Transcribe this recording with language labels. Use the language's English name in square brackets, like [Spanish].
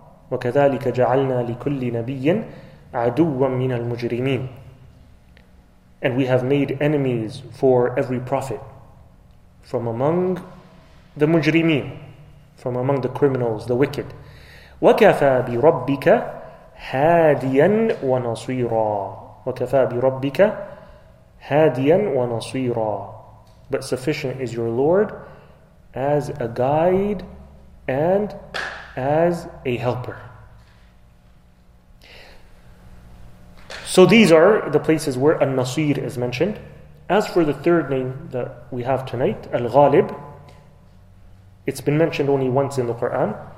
[Arabic] وَكَذَلِكَ جَعَلْنَا لِكُلِّ نَبِيٍّ عَدُوًّا مِنَ الْمُجْرِمِينَ. [English] And we have made enemies for every prophet from among the mujrimeen, from among the criminals, the wicked. [Arabic] وَكَفَى بِرَبِّكَ هادياً وَنَصِيرًا وَكَفَى بِرَبِّكَ هَادياً وَنَصِيرًا. [English] But sufficient is your Lord as a guide and as a helper. So these are the places where al-Nasir is mentioned. As for the third name that we have tonight, al-Ghalib, it's been mentioned only once in the Quran.